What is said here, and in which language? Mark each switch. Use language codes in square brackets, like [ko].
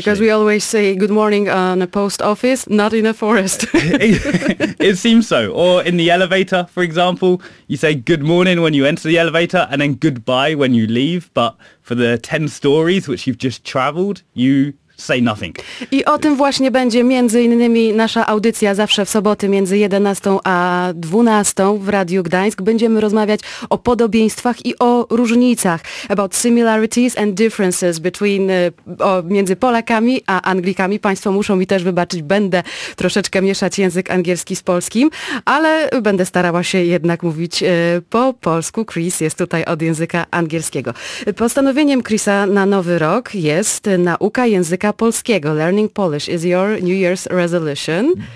[en] Because we always say good morning on a post office, not in a forest. It seems so. Or in the elevator, for example, you say good morning when you enter the elevator and then goodbye when you leave. But for the 10 stories which you've just traveled, you... say nothing. [pl] I o tym właśnie będzie między innymi nasza audycja zawsze w soboty między 11 a 12 w Radiu Gdańsk. Będziemy rozmawiać o podobieństwach i o różnicach. [en] About similarities and differences between [pl] między Polakami a Anglikami. Państwo muszą mi też wybaczyć, będę troszeczkę mieszać język angielski z polskim, ale będę starała się jednak mówić po polsku. Chris jest tutaj od języka angielskiego. Postanowieniem Chrisa na nowy rok jest nauka języka polskiego. [en] Learning Polish is your New Year's resolution.